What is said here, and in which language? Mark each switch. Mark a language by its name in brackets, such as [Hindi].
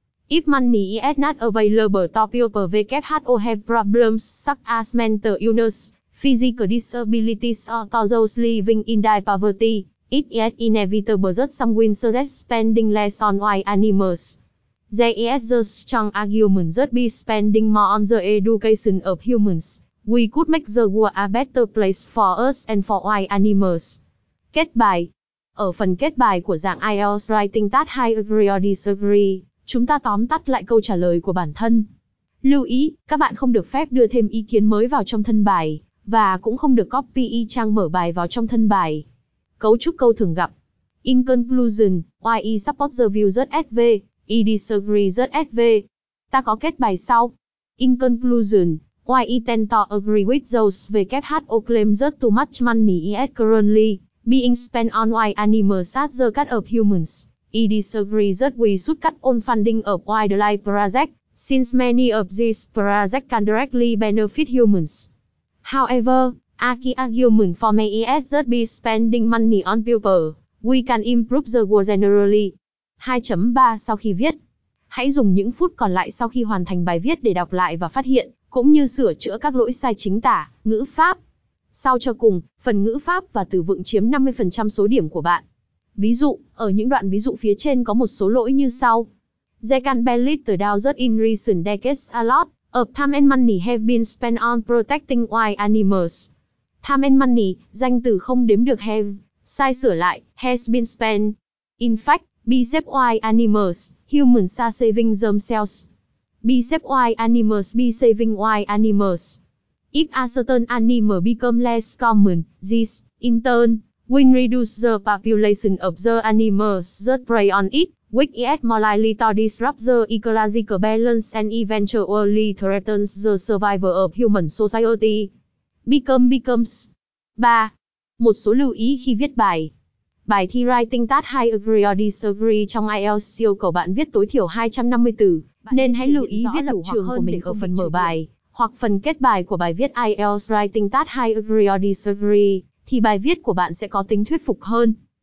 [English] If money is not available to people, who have problems such as mental illness, physical disabilities or to those living in dire poverty, it is inevitable that some will suggest spending less on wild animals. There is a strong argument that by spending more on the education of humans, we could make the world a better place for us and for wild animals. [Vietnamese] Kết bài. Ở phần kết bài của dạng IELTS Writing Task 2 Agree or Disagree, chúng ta tóm tắt lại câu trả lời của bản thân. Lưu ý, các bạn không được phép đưa thêm ý kiến mới vào trong thân bài, và cũng không được copy y chang mở bài vào trong thân bài. Cấu trúc câu thường gặp. [English] In conclusion, why I support the view that SV, I disagree that SV. [Vietnamese] Ta có kết bài sau. [English] In conclusion, why I tend to agree with those who claim that too much money is currently being spent on wild animals at the cost of humans. I disagree that we should cut on funding of wildlife projects, since many of these projects can directly benefit humans. However, a key argument for me is that by spending money on people, we can improve the world generally. [Vietnamese] 2.3 sau khi viết. Hãy dùng những phút còn lại sau khi hoàn thành bài viết để đọc lại và phát hiện, cũng như sửa chữa các lỗi sai chính tả, ngữ pháp. Sau cho cùng, phần ngữ pháp và từ vựng chiếm 50% số điểm của bạn. Ví dụ, ở những đoạn ví dụ phía trên có một số lỗi như sau. [English] There can be little doubt in recent decades a lot of time and money have been spent on protecting wild animals. Time and money, [Vietnamese] danh từ không đếm được have, sai sửa lại, [English] has been spent. In fact, be safe wild animals, humans are saving themselves. Be safe wild animals, be saving wild animals. If a certain animal becomes less common, this, in turn, will reduce the population of the animals that prey on it, which is more likely to disrupt the ecological balance and eventually threatens the survival of human society. Become becomes. 3. [Vietnamese] Một số lưu ý khi viết bài. Bài thi Writing Task 2 Agree or Disagree trong IELTS yêu cầu bạn viết tối thiểu 250 từ, bạn nên hãy lưu ý viết đủ trường hơn để ở phần mở bài hoặc phần kết bài của bài viết IELTS Writing Task 2 Agree or Disagree, thì bài viết của bạn sẽ có tính thuyết phục hơn.